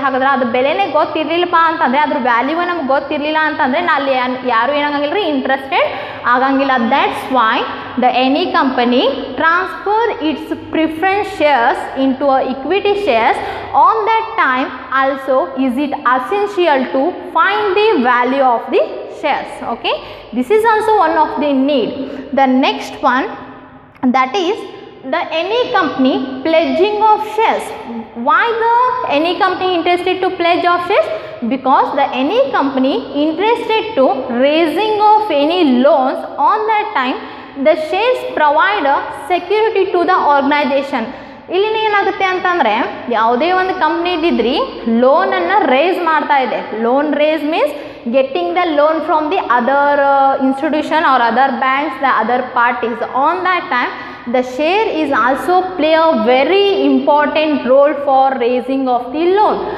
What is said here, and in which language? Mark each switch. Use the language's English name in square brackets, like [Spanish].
[Kannada] ಹಾಗಾದ್ರೆ ಅದು ಬೆಲೆನೆ ಗೊತ್ತಿರಲಿಲ್ಲಪ್ಪ ಅಂತಂದರೆ, ಅದ್ರ ವ್ಯಾಲ್ಯೂ ನಮ್ಗೆ ಗೊತ್ತಿರಲಿಲ್ಲ ಅಂತಂದರೆ ನಾ ಅಲ್ಲಿ ಯಾರು ಏನಾಗಂಗಿಲ್ಲ ರೀ, ಇಂಟ್ರೆಸ್ಟೆಡ್ ಆಗಂಗಿಲ್ಲ. [English] That's why the any company transfer its preference shares into a equity shares on that time also is it essential to find the value of the shares. Okay, this is also one of the need. The next one that is the any company pledging of shares. Why the any company interested to pledge of shares? Because the any company interested to raising of any loans on that time, the shares provide a security to the organization. [Kannada] ಇಲ್ಲಿ ಏನಾಗುತ್ತೆ ಅಂತಂದರೆ, ಯಾವುದೇ ಒಂದು company ಇದ್ದಿದ್ರಿ ಲೋನನ್ನು race ಮಾಡ್ತಾ ಇದೆ. [English] Loan raise means getting the loan from the other institution or other banks the other parties. On that time the share is also play a very important role for raising of the loan.